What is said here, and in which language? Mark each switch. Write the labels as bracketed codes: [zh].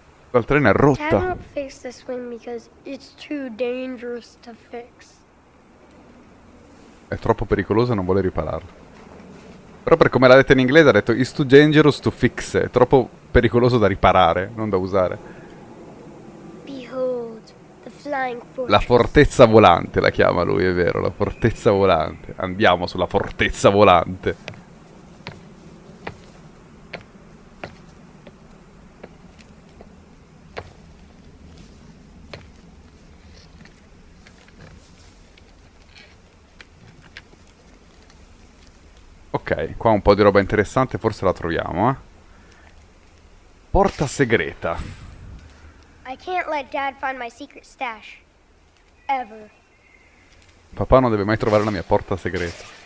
[it] Il treno è rotta. Non posso fare questo swing perché è troppo pericoloso da fare. È troppo pericoloso e non vuole ripararlo. Però per come l'ha detto in inglese ha detto [en] "It's too dangerous to fix". [it] È troppo pericoloso da riparare, non da usare. [en] Behold, the flying fortress. [it] La fortezza volante la chiama lui, è vero. La fortezza volante. Andiamo sulla fortezza volante. Ok, qua un po' di roba interessante, forse la troviamo, eh. Porta segreta. [en] I can't let Dad find my secret stash. Ever. [it] Papà non deve mai trovare la mia porta segreta.